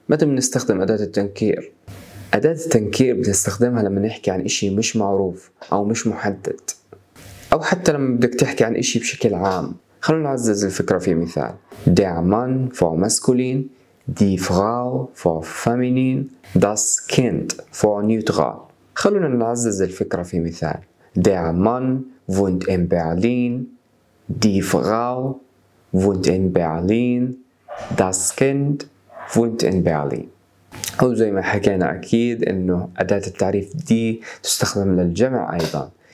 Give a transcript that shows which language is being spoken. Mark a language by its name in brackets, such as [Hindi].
[Arabic] متى بنستخدم أداة التنكير؟ أداة التنكير بنستخدمها لما نحكي عن إشي مش معروف أو مش محدد، أو حتى لما بدك تحكي عن إشي بشكل عام. خلونا نعزز الفكرة في مثال. [German] Der Mann [English] for masculine, [German] die Frau [English] for feminine, [German] das Kind [English] for neutral. [Arabic] خلونا نعزز الفكرة في مثال. [German] Der Mann wohnt in Berlin, die Frau wohnt in Berlin, das Kind wohnt in Berlin. [Arabic] أو زي ما حكينا أكيد إنه أداة التعريف دي تستخدم للجمع أيضا.